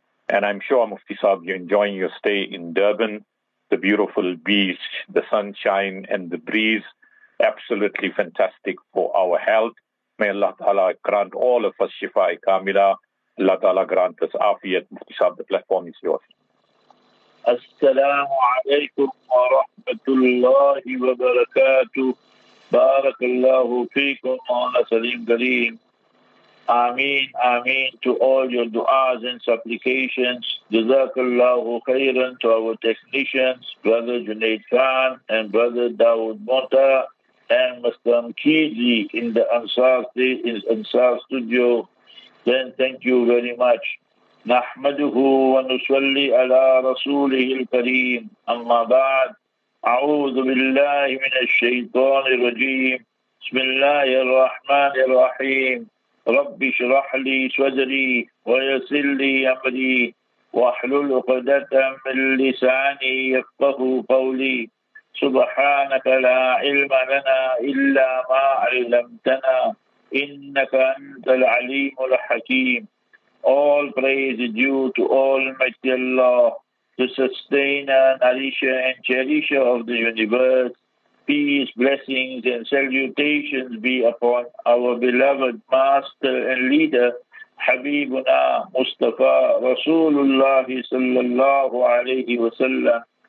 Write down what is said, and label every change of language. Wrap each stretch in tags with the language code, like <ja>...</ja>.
<en>And I'm sure, Mufti Sahib, you're enjoying your stay in Durban. The beautiful beach, the sunshine and the breeze, absolutely fantastic for our health. May Allah ta'ala grant all of us shifa'i kamila. Allah ta'ala grant us afiyat. Mufti Sahib, the platform is yours.</en> <ar>السلام عليكم ورحمة الله وبركاته. بارك الله فيكم مولانا سليم كريم. آمين آمين</ar> <en>to all your du'as and supplications.</en> <ar>جزاك الله خيرا</ar> <en>to our technicians, brother Junaid Khan and brother Dawood Mota and Mr. Mkizi in the Ansar studio. Then thank you very much.</en> <ar>نحمده ونصلي على رسوله الكريم أما بعد أعوذ بالله من الشيطان الرجيم بسم الله الرحمن الرحيم رب اشرح لي صدري ويسر لي أمري واحلل عقدة من لساني يفقهوا قولي سبحانك لا علم لنا إلا ما علمتنا إنك أنت العليم الحكيم.</ar> <en>All praise is due to Almighty Allah, the sustainer, nourisher, and cherisher of the universe. Peace, blessings, and salutations be upon our beloved master and leader, Habibuna Mustafa Rasulullah sallallahu alayhi wa sallam.</en>